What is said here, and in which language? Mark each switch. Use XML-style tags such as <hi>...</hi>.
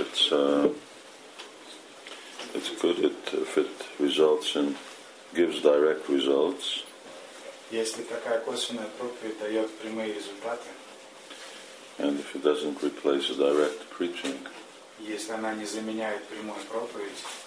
<en>And it's good if it results and gives direct results.</en> <ru>Este такая косвенная проповедь дает прямые результаты.</ru> <en>And if it doesn't replace a direct preaching.</en> <ru>Если она не заменяет прямую проповедь.</ru>